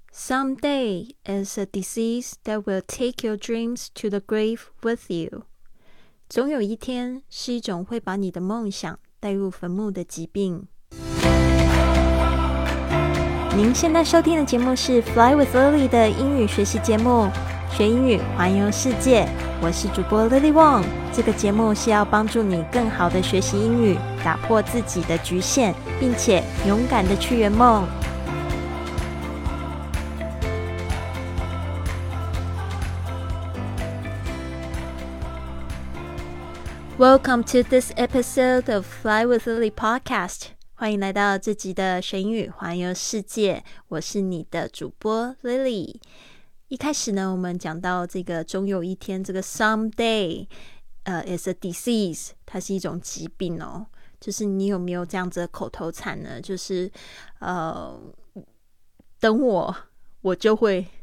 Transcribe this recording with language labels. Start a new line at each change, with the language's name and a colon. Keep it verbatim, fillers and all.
English: Someday is a disease that will take your dreams to the grave with you.
Chinese: 总有一天是一种会把你的梦想带入坟墓的疾病。您现在收听的节目是 Fly with Lily 的英语学习节目，学英语环游世界。我是主播 Lily Wong。这个节目是要帮助你更好的学习英语，打破自己的局限，并且勇敢的去圆梦。
English: Welcome to this episode of Fly with Lily podcast.
Chinese: 欢迎来到这集的学英语环游世界，我是你的主播 Lily。一开始呢，我们讲到这个终有一天，这个 someday，呃、uh,
English: is a disease，
Chinese: 它是一种疾病哦。就是你有没有这样子的口头禅呢？就是呃，等我，我就会。